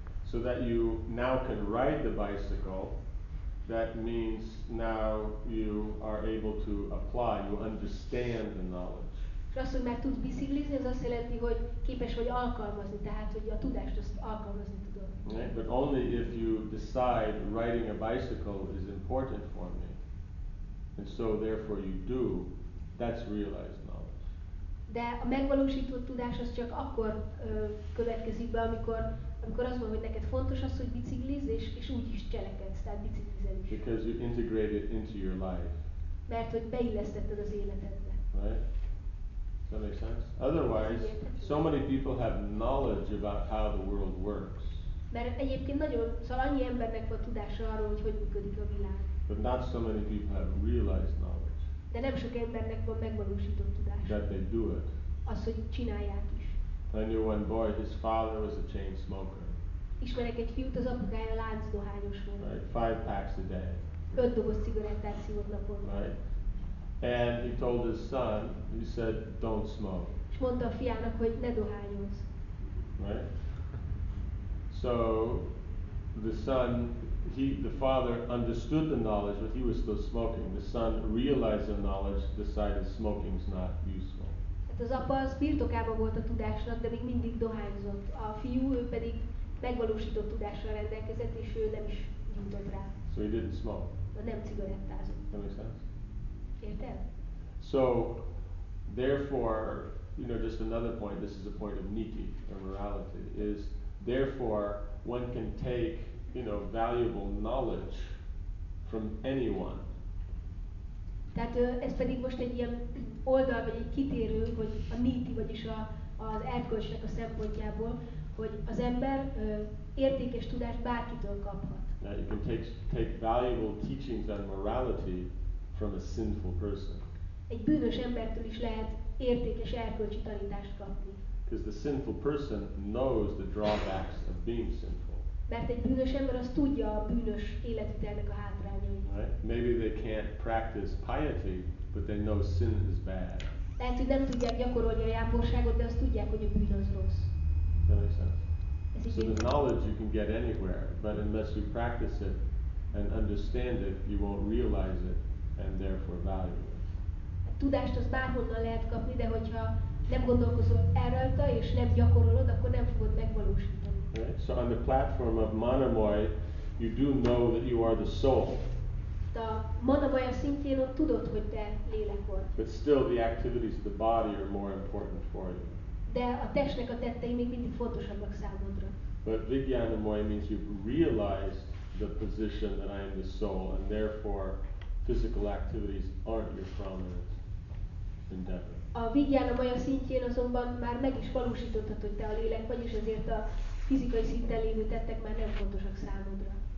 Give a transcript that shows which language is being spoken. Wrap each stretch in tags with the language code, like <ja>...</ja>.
<en>So that you now can ride the bicycle, that means now you are able to apply, you understand the knowledge.</en> <hu>És az, hogy már tudsz biciklizni, az azt jelenti, hogy képes vagy alkalmazni, tehát hogy a tudást azt alkalmazni tudod.</hu> <en>Right, but only if you decide riding a bicycle is important for me, and so therefore you do, that's realized knowledge.</en> <hu>De a megvalósított tudás az csak akkor következik be, amikor azt mondom, hogy neked fontos az, hogy biciklizz, és úgy is cselekedsz, tehát biciklizel is.</hu> <en>Because you integrate it into your life.</en> <hu>Mert hogy beillesztetted az életedbe.</hu> <en>Right? That makes sense. Otherwise, so many people have knowledge about how the world works.</en> <hu>Mert egyébként nagyon, szóval annyi embernek van tudása arról, hogy működik a világ.</hu> <en>But not so many people have realized knowledge.</en> <hu>De nem sok embernek van megvalósított tudása.</hu> <en>That they do it.</en> <hu>Az, hogy csinálják is.</hu> <en>I knew one boy, his father was a chain smoker.</en> <hu>Ismerek egy fiút, az apukája láncdohányos volt.</hu> <en>Right, 5 packs a day.</en> <hu>5 doboz cigarettát szívott naponta.</hu> <en>Right. And he told his son, he said, don't smoke.</en> <hu>És mondta a fiának, hogy ne dohányozz.</hu> <en>Right? So, the son, the father understood the knowledge, but he was still smoking. The son realized the knowledge, decided smoking is not useful.</en> <hu>Hát az apa az birtokában volt a tudásnak, de még mindig dohányzott. A fiú, ő pedig megvalósított tudással rendelkezett, és ő nem is nyújtott rá.</hu> <en>So he didn't smoke.</en> <hu>De nem cigarettázott.</hu> <en>That makes sense?</en> <hu>Érted?</hu> <en>So, therefore, you know, just another point, this is a point of niti, or morality, is therefore one can take, you know, valuable knowledge from anyone.</en> <hu>Tehát ez pedig most egy ilyen oldal, vagy egy kitérő, hogy a niti, vagyis az erkölcsnek a szempontjából, hogy az ember értékes tudást bárkitől kaphat.</hu> <en>Now you can take valuable teachings on morality from a sinful person.</en> <hu>Egy bűnös embertől is lehet értékes erkölcsi tanítást kapni.</hu> <en>Because the sinful person knows the drawbacks of being sinful.</en> <hu>Mert egy bűnös ember az tudja a bűnös életvitelnek a hátrányait.</hu> <en>Right? Maybe they can't practice piety, but they know sin is bad.</en> <hu>Lehet, hogy nem tudják gyakorolni a jámborságot, de azt tudják, hogy a bűn az rossz.</hu> <en>That makes sense. So the knowledge you can get anywhere, but unless you practice it and understand it, you won't realize it. And therefore valuable.</en> <hu>Tudást az bárhonnan lehet kapni, de hogyha nem gondolkozol erről, és nem gyakorolod, akkor nem fogod megvalósítani.</hu> <en>Right. So on the platform of Manamoy, you do know that you are the soul.</en> <hu>A Manamoy szintjén ott tudod, hogy te lélek vagy.</hu> <en>But still the activities of the body are more important for you.</en> <hu>De a testnek a tettei még mindig fontosabbak számodra.</hu> <en>But Vijnanamoy means you've realized the position that I am the soul, and therefore physical activities aren't your prominent endeavor.</en> <hu>A vijnana maya szintjén azonban már meg is valósítottad, hogy te a lélek vagy, és ezért a fizikai szinten lévő tettek már nem fontosak számodra.</hu>